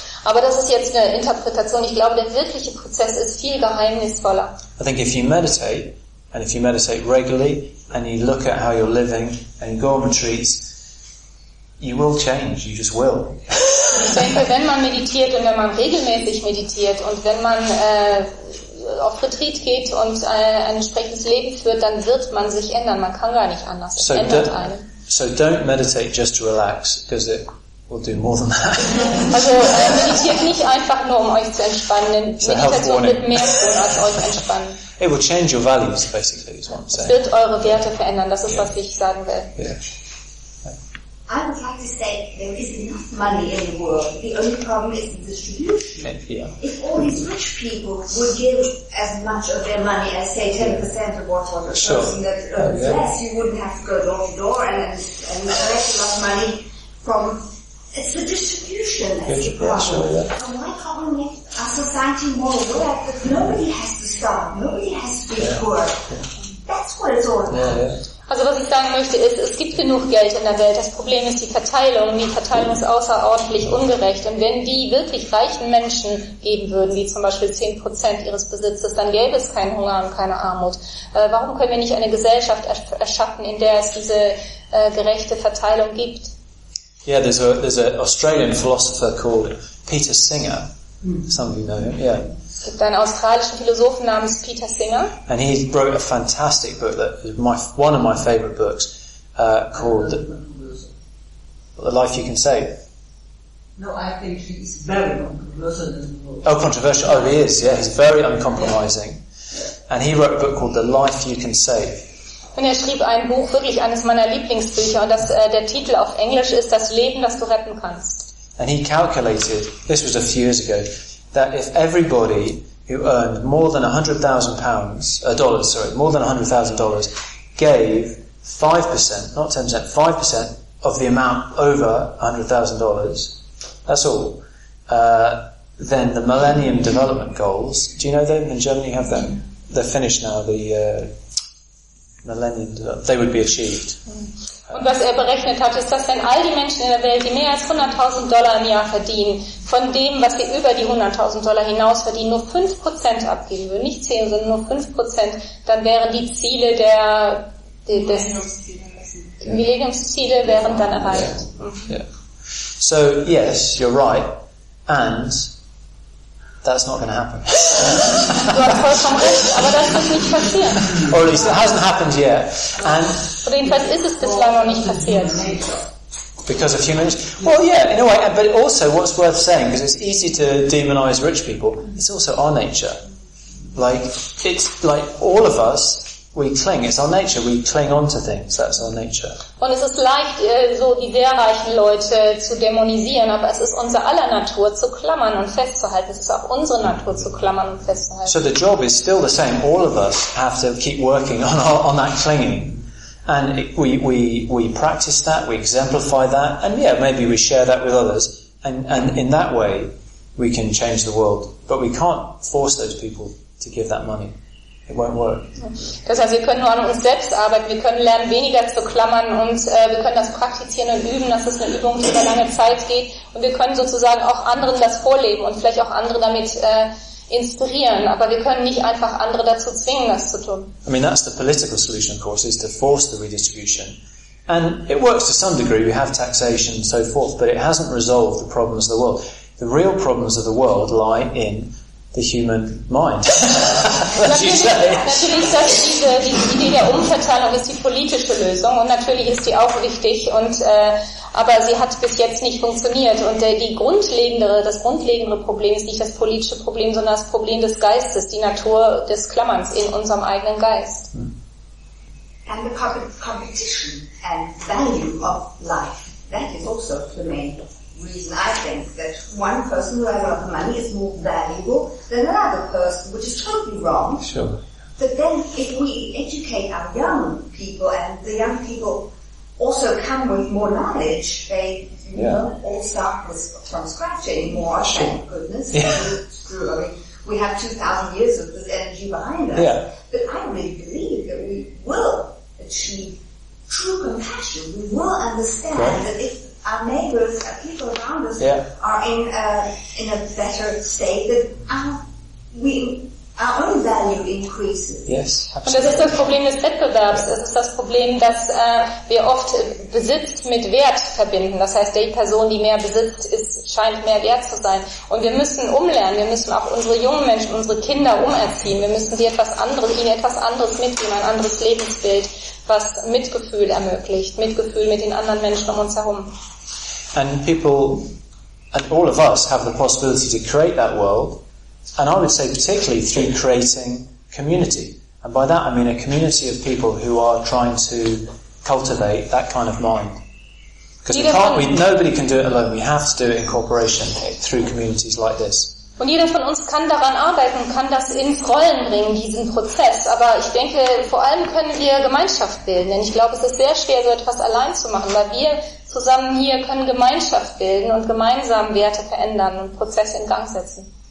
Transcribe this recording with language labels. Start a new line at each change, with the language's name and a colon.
German: Aber das ist jetzt eine Interpretation. Ich glaube, der wirkliche Prozess ist viel geheimnisvoller.
English: I think if you meditate, and if you meditate regularly, and you look at how you're living, and you go on retreats, you will change, you just will.
German: Ich denke, wenn man meditiert und wenn man regelmäßig meditiert und wenn man auf Retreat geht und ein entsprechendes Leben führt, dann wird man sich ändern. Man kann gar nicht anders. Es ändert einen.
English: So don't meditate just to relax, because it will do more than that.
German: Also meditiert nicht einfach nur, um euch zu entspannen. Meditation wird mehr tun, als euch entspannen.
English: It will change your values, basically, is what I'm saying.
German: Es wird eure Werte verändern, das ist, was ich sagen will.
English: Yeah. I would like to say there is enough money in the world. The only problem is the distribution. Yeah. If all these rich people would give as much of their money as, say, 10% of what on the person that earns less, you wouldn't have to go door to door and collect a lot of money from... It's the distribution that's the problem. And my problem is our society more aware that nobody has to starve, nobody has to be poor. Yeah. That's what it's all about.
German: Also was ich sagen möchte ist, es gibt genug Geld in der Welt. Das Problem ist die Verteilung. Die Verteilung ist außerordentlich ungerecht. Und wenn die wirklich reichen Menschen geben würden, wie zum Beispiel 10% ihres Besitzes, dann gäbe es keinen Hunger und keine Armut. Warum können wir nicht eine Gesellschaft erschaffen, in der es diese gerechte Verteilung gibt?
English: Yeah, there's an Australian philosopher called Peter Singer. Some of you know him, yeah.
German: Es gibt einen australischen Philosophen namens Peter Singer.
English: And he wrote a fantastic book that is one of my favorite books, called The Life You Can Save. No, I think he's very controversial. Oh, controversial. Oh, he is, yeah. He's very uncompromising. And he wrote a book called The Life You Can Save.
German: Und er schrieb ein Buch, wirklich eines meiner Lieblingsbücher, und das, der Titel auf Englisch ist Das Leben, das du retten kannst.
English: And he calculated, this was a few years ago, that if everybody who earned more than $100,000 gave 5%, not 10%, 5% of the amount over $100,000, that's all, then the Millennium Development Goals, do you know them? In Germany have them. They're finished now, the Millennium Development, they would be achieved.
German: Und was er berechnet hat, ist, dass wenn all die Menschen in der Welt, die mehr als $100,000 im Jahr verdienen, von dem, was sie über die $100,000 hinaus verdienen, nur 5% abgeben würden, nicht 10, sondern nur 5%, dann wären die Ziele der Millenniumsziele wären dann erreicht.
English: So, yes, you're right. And that's not going to happen.
German: Du hast vollkommen recht, aber das wird nicht passieren.
English: Or at least it hasn't happened yet. And
German: jedenfalls ist es bislang noch nicht passiert.
English: Because of humans? Well, yeah, in a way. But also, what's worth saying, because it's easy to demonize rich people, it's also our nature. Like, it's like all of us, we cling. It's our nature. We cling on to things. That's our nature.
German: Und es ist leicht, so die sehr reichen Leute zu dämonisieren, aber es ist unser aller Natur, zu klammern und festzuhalten. Es ist auch unsere Natur, zu klammern und festzuhalten.
English: So the job is still the same. All of us have to keep working on our, on that clinging. And we practice that, we exemplify that, and yeah, maybe we share that with others. And in that way, we can change the world. But we can't force those people to give that money. It won't work.
German: Das heißt, wir können nur an uns selbst arbeiten. Wir können lernen, weniger zu klammern und wir können das praktizieren und üben, dass es eine Übung, die über lange Zeit geht. Und wir können sozusagen auch anderen das vorleben und vielleicht auch andere damit inspirieren, aber wir können nicht einfach andere dazu zwingen, das zu tun.
English: I mean, that's the political solution, of course, is to force the redistribution. And it works to some degree, we have taxation and so forth, but it hasn't resolved the problems of the world. The real problems of the world lie in the human mind.
German: Natürlich ist diese Idee der Umverteilung ist die politische Lösung und natürlich ist die auch wichtig und aber sie hat bis jetzt nicht funktioniert und das grundlegendere Problem ist nicht das politische Problem, sondern das Problem des Geistes, die Natur des Klammerns in unserem eigenen Geist.
English: And the competition and value of life, that is also the main reason I think that one person who has a lot of money is more valuable than another person, which is totally wrong. Sure. But then if we educate our young people and the young people also come with more knowledge, they don't all start from scratch anymore, sure. Thank goodness. Yeah. It's true. I mean, we have 2,000 years of this energy behind us. Yeah. But I really believe that we will achieve true compassion. We will understand that if our neighbors, our people around us are in a better state, that our own value increases. Yes, absolutely.
German: Und das ist das Problem des Wettbewerbs. Es ist das Problem, dass wir oft Besitz mit Wert verbinden. Das heißt, die Person, die mehr besitzt, scheint mehr wert zu sein. Und wir müssen umlernen. Wir müssen auch unsere jungen Menschen, unsere Kinder umerziehen. Wir müssen ihnen etwas anderes mitgeben, ein anderes Lebensbild, was Mitgefühl ermöglicht. Mitgefühl mit den anderen Menschen um uns herum.
English: And people, and all of us have the possibility to create that world. And I would say particularly through creating community. And by that I mean a community of people who are trying to cultivate that kind of mind. Because nobody can do it alone. We have to do it in cooperation through communities like this.
German: Und jeder von uns kann daran arbeiten, kann das ins Rollen bringen, diesen Prozess. Aber ich denke, vor allem können wir Gemeinschaft bilden. Denn ich glaube, es ist sehr schwer, so etwas allein zu machen. Weil wir zusammen hier können Gemeinschaft bilden und gemeinsam Werte verändern und Prozesse in Gang setzen.